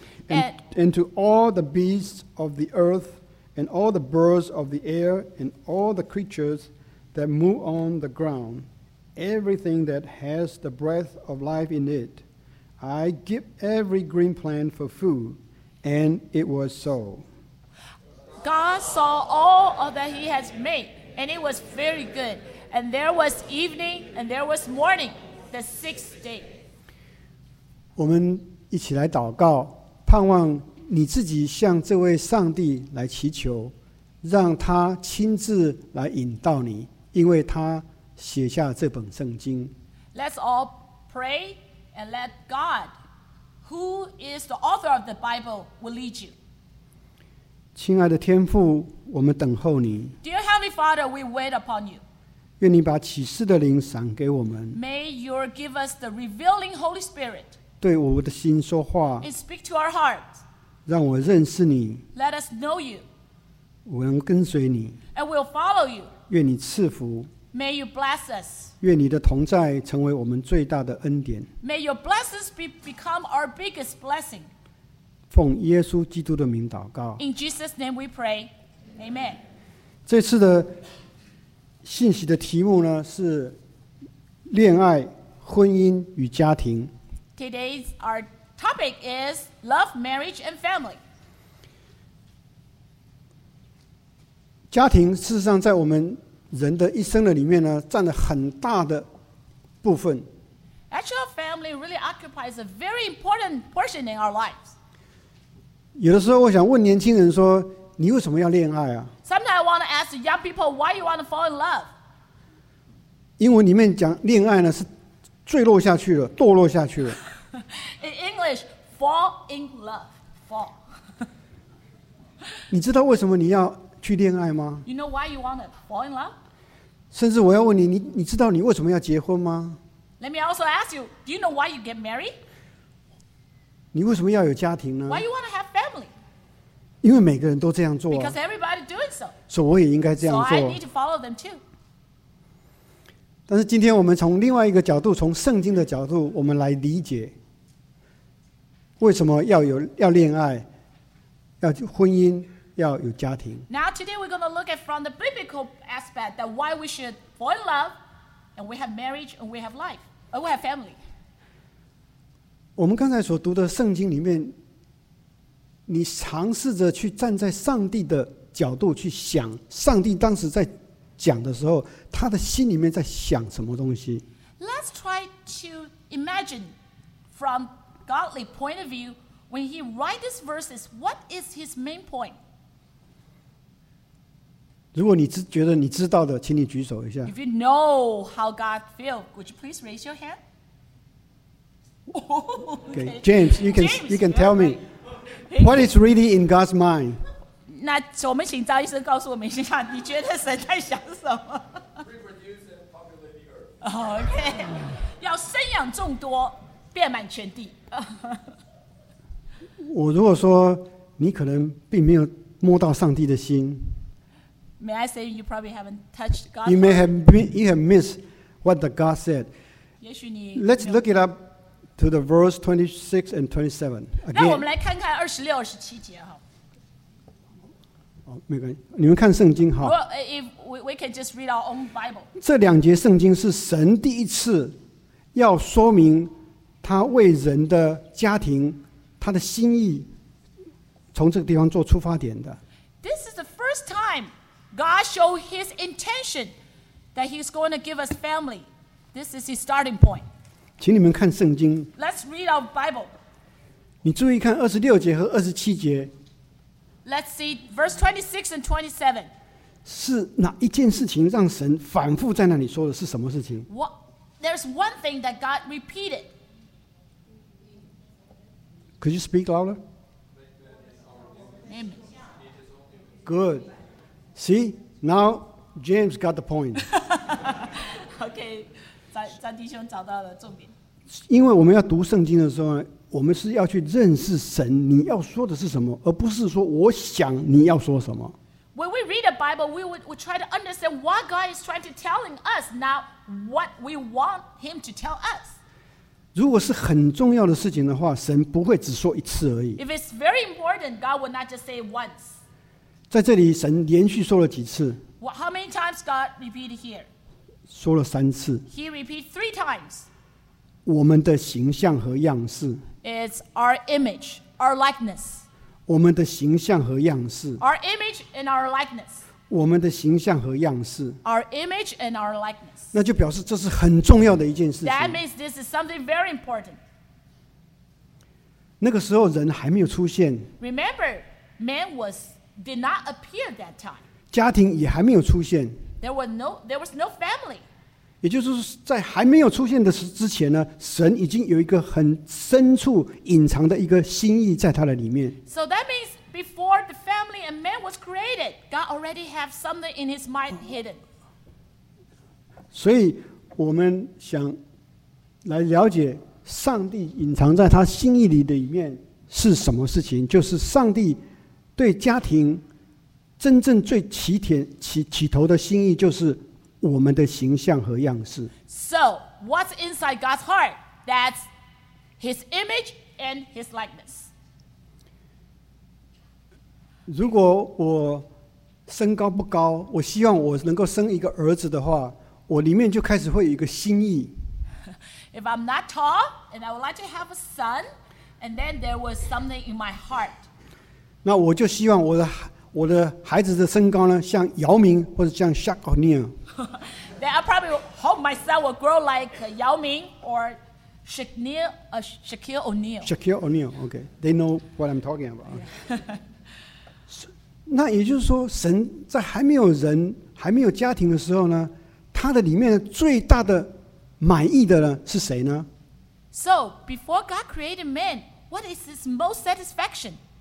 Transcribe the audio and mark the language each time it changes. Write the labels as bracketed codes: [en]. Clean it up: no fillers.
[en] And to all the beasts of the earth, and all the birds of the air, and all the creatures that move on the ground, everything that has the breath of life in it, I give every green plant for food. And it was so. God saw all of that he has made, and it was very good. And there was evening, and there was morning, the sixth day. [zh] 我们一起来祷告，盼望你自己向这位上帝来祈求，让他亲自来引导你，因为他写下这本圣经。 [en] Let's all pray and let God, who is the author of the Bible, will lead you. [zh] 亲爱的天父，我们等候你。 [en] Dear Heavenly Father, we wait upon you. [zh] 愿你把启示的灵赏给我们。 [en] May you give us the revealing Holy Spirit. [zh] 对我的心说话。 [en] And speak to our hearts. [zh] 让我认识你。 [en] Let us know you. [zh] 我能跟随你。 [en] And we'll follow you. [zh] 愿你赐福。 [en] May you bless us. [zh] 愿你的同在成为我们最大的恩典。 [en] May your blessings become our biggest blessing. [zh] 奉耶稣基督的名祷告。 [en] In Jesus' name we pray. Amen. [zh] 这次的信息的题目呢，是恋爱、婚姻与家庭。 [en] Today's our topic is love, marriage, and family. [zh] 家庭事实上在我们人的一生的里面呢，占了很大的部分。 [en] Actually, family really occupies a very important portion in our lives. [zh] 有的时候，我想问年轻人说：“你为什么要恋爱啊？” [en] Sometimes I want to ask young people why you want to fall in love. [zh] 英文里面讲恋爱呢，是坠落下去了，堕落下去了。 [en] In English, fall in love, fall. [zh] 你知道为什么你要？去恋爱吗？ [en] You know why you want to fall in love? [zh] 甚至我要问你， 你知道你为什么要结婚吗？ [en] Let me also ask you, do you know why you get married? [zh] 你为什么要有家庭呢？ [en] Why you want to have family? [zh] 因为每个人都这样做啊。 [en] Because everybody doing so. [zh] 所以我也应该这样做。 [en] So I need to follow them too. [zh] 但是今天我们从另外一个角度，从圣经的角度，我们来理解为什么要恋爱，要婚姻。要有家庭。 [en] Now today we're going to look at from the biblical aspect that why we should fall in love and we have marriage and we have life and we have family. [zh] 我们刚才所读的圣经里面，你尝试着去站在上帝的角度去想，上帝当时在讲的时候，他的心里面在想什么东西？ [en] Let's try to imagine from godly point of view when he write these verses, what is his main point? [zh] 如果你觉得你知道的，请你举手一下。 [en] If you know how God feels, would you please raise your hand? Okay, James, you can tell me what is really in God's mind. [zh] 那我们请赵医生告诉我们一下，你觉得神在想什么 [en] ？Reproduce and populate the earth. [zh] Okay, 要生养众多，遍满全地。我如果说你可能并没有摸到上帝的心。 [en] May I say you probably haven't touched God? You have missed what the God said. Let's look it up to the verse 26 and 27. [zh] Again. 那我们来看看 26, 27. [en] Well, if we can just read our own Bible. [zh] 这两节圣经是神第一次要说明他为人的家庭他的心意从这个地方做出发点的。 [en] This is the first time God showed his intention that he's going to give us family. This is his starting point. [zh] 请你们看圣经。 [en] Let's read our Bible. [zh] 你注意看二十六节和二十七节。 [en] Let's see verse 26 and 27. [zh] 是哪一件事情让神反复在那里说的是什么事情？ [en] There's one thing that God repeated. Could you speak louder? Good. See, now James got the point. [zh] Okay, 张弟兄找到了重点。因为我们要读圣经的时候，我们是要去认识神，你要说的是什么，而不是说我想你要说什么。 [en] When we read the Bible, we try to understand what God is trying to telling us, not what we want Him to tell us. [zh] 如果是很重要的事情的话，神不会只说一次而已。 [en] If it's very important, God will not just say once. [zh] 在这里，神连续说了几次 [en] well, ？How many times God repeated here? [zh] 说了三次。 [en] He repeated three times. [zh] 我们的形象和样式。 [en] It's our image, our likeness. [zh] 我们的形象和样式。 [en] Our image and our likeness. [zh] 我们的形象和样式。 [en] Our image and our likeness. [zh] 那就表示这是很重要的一件事情。 [en] That means this is something very important. [zh] 那个时候人还没有出现。 [en] Remember, man was did not appear that time. [zh] 家庭也还没有出现。 [en] There was no family. [zh] 也就是在还没有出现的之前呢，神已经有一个很深处隐藏的一个心意在他的里面。 [en] So that means before the family and man was created, God already have something in His mind hidden. [zh] 所以我们想来了解上帝隐藏在他心意里的一面是什么事情，就是上帝对家庭真正最起头的心意，就是我们的形象和样式。 [en] So what's inside God's heart? That's His image and His likeness. [zh] 如果我身高不高，我希望我能够生一个儿子的话，我里面就开始会有一个心意。 [en] If I'm not tall and I would like to have a son, and then there was something in my heart. [zh] 那我就希望我的孩子的身高呢，像姚明或者像 Shaq O'Neal. [en] Then I probably hope my son will grow like Yao Ming or Shaquille O'Neal. Shaquille O'Neal, okay. They know what I'm talking about. [zh] 那也就是说，神在还没有人、还没有家庭的时候呢？他的里面最大的满意的呢是谁呢 [en] ？So before God created man, what is his most satisfaction?